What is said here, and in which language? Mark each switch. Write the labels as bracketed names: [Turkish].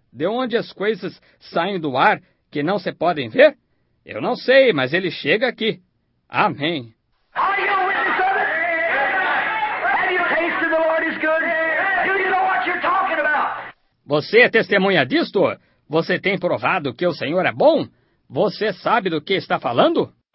[Portuguese] De onde as coisas saem do ar que não se podem ver? Eu não sei, mas ele chega aqui. Amém. [English] Are you a witness of it? Have you tasted the Lord is good? Do you know what you're talking about? [Portuguese] Você é testemunha disto? Você tem provado que o Senhor é bom? Você sabe do que está falando?